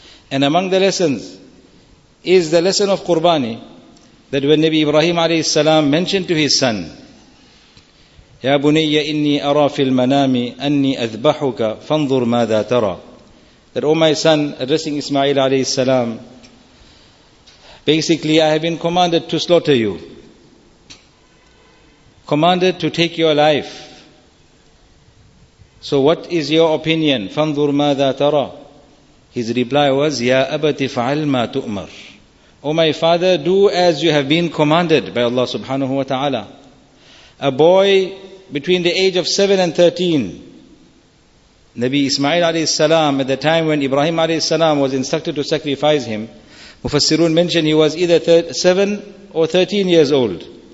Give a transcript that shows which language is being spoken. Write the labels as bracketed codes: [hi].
[en] And among the lessons is the lesson of Qurbani, that when Nabi Ibrahim alayhi salam mentioned to his son, [ar] يَا بُنَيَّ إِنِّي أَرَى فِي الْمَنَامِ أَنِّي أَذْبَحُكَ فَانْظُرْ مَاذَا تَرَى. [en] That, oh my son, addressing Ismail alayhi salam, basically I have been commanded to slaughter you, commanded to take your life. So what is your opinion? [ar] فَانْظُرْ مَاذَا تَرَى. [en] His reply was, [ar] يَا أَبَتِ فَعَلْ مَا تُؤْمَرْ. [en] Oh my father, do as you have been commanded by Allah subhanahu wa ta'ala. A boy between the age of 7 and 13, Nabi Ismail alayhi salam, at the time when Ibrahim alayhi salam was instructed to sacrifice him, Mufassirun mentioned he was either 7 or 13 years old.